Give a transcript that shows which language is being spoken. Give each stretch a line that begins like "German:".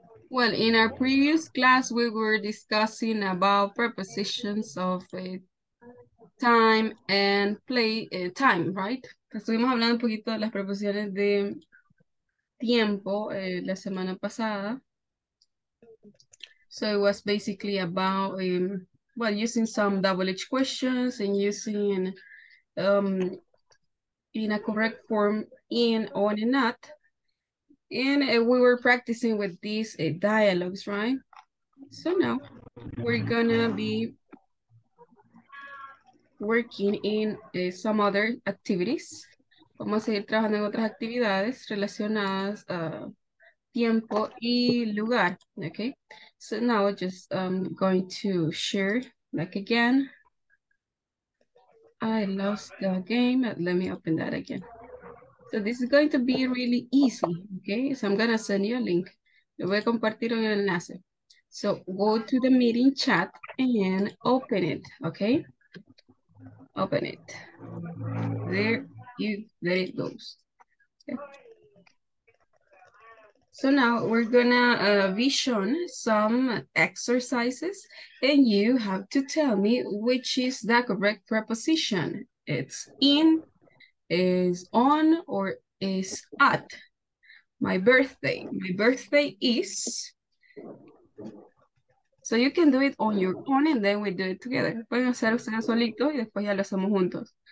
English: Well, in our previous class, we were discussing about prepositions of time and place. Time, right?
Spanish: Estuvimos hablando un poquito de las preposiciones de tiempo la semana pasada.
English: So it was basically about well, using some WH questions and using in a correct form in, on, and not. And we were practicing with these dialogues, right? So now we're gonna be working in some other activities.
Spanish: Vamos a seguir trabajando en otras actividades relacionadas a tiempo y lugar, okay?
English: So now just going to share back again. I lost the game, let me open that again. So this is going to be really easy, okay? So I'm gonna send you a link.
Spanish: Le voy a compartir un enlace.
English: So go to the meeting chat and open it, okay? Open it. There it goes. Okay. So now we're gonna be shown some exercises and you have to tell me which is the correct preposition. It's in, is on, or is at. My birthday is. So you can do it on your own and then we do it together.
Spanish: Pueden hacer ustedes solitos y después ya lo hacemos juntos.